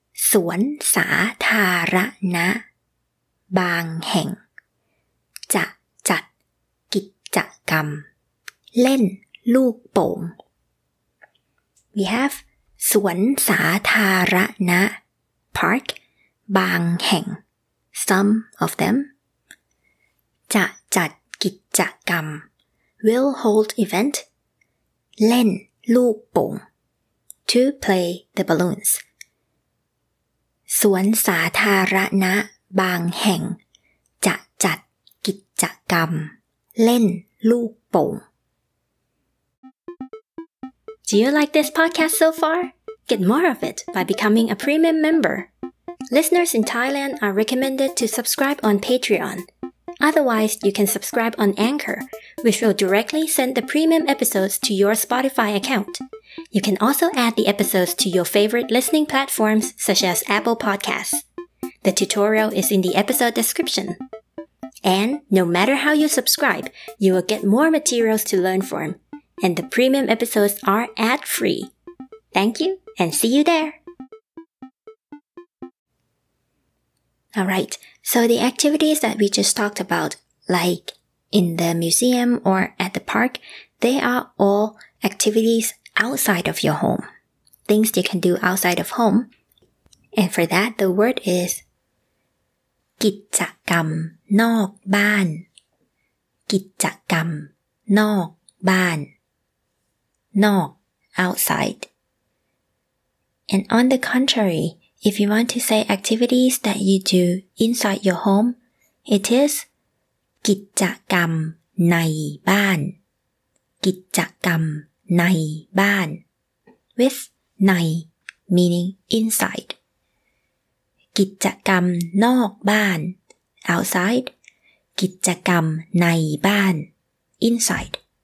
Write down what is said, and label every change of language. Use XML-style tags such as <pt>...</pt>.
<th>สวนสาธารณะบางแห่งจะจัดกิจกรรมเล่นลูกโป่ง</th> <en>We have สวนสาธารณะ park</en> <th>บางแห่ง</th> <en>some of them</en> <th>จะจัดกิจกรรม</th> <en>will hold event</en> <th>เล่นลูกโป่ง</th> <en>to play the balloons</en> <th>สวนสาธารณะบางแห่งจะจัดกิจกรรมเล่นลูกโป่ง</th> <en>Do you like this podcast so far? Get more of it by becoming a premium member. Listeners in Thailand are recommended to subscribe on Patreon. Otherwise, you can subscribe on Anchor, which will directly send the premium episodes to your Spotify account. You can also add the episodes to your favorite listening platforms such as Apple Podcasts. The tutorial is in the episode description. And no matter how you subscribe, you will get more materials to learn from, and the premium episodes are ad-free. Thank you, and see you there! All right. So the activities that we just talked about, like in the museum or at the park, they are all activities outside of your home. Things you can do outside of home. And for that, the word is</en> <th>กิจกรรมนอกบ้านกิจกรรมนอกบ้านนอก</th> <en>outside. And on the contrary,If you want to say activities that you do inside your home, it is</en> <th>กิจกรรมในบ้านกิจกรรมในบ้าน</th> <en>with ใน meaning inside</en> <th>กิจกรรมนอกบ้าน</th> <en>outside</en> <th>กิจกรรมในบ้าน</th> <en>inside</en>